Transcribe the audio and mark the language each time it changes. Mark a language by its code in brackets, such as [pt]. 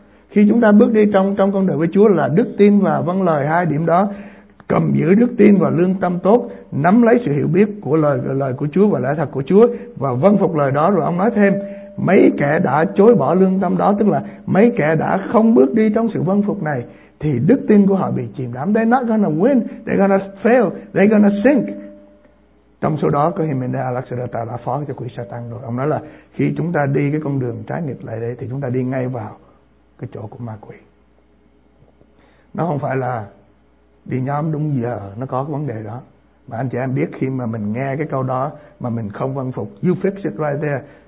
[vi] Khi chúng ta bước đi trong con đường với Chúa là đức tin và vâng lời, hai điểm đó. Cầm giữ đức tin và lương tâm tốt, nắm lấy sự hiểu biết của lời của Chúa và lẽ thật của Chúa, và vâng phục lời đó. Rồi ông nói thêm, mấy kẻ đã chối bỏ lương tâm đó, tức là mấy kẻ đã không bước đi trong sự vâng phục này, thì đức tin của họ bị chìm đắm. [en] They're not gonna win, they're gonna fail, they're gonna sink. [vi] Trong số đó có Himena Alexander đã phó cho quỷ Satan rồi. Ông nói là khi chúng ta đi cái con đường trái nghịch lại đây, thì chúng ta đi ngay vào cái chỗ của ma quỷ. Nó không phải là đi nhóm đúng giờ, nó có cái vấn đề đó. Mà anh chị em biết, khi mà mình nghe cái câu đó mà mình không vâng phục, [en] you fix it right there.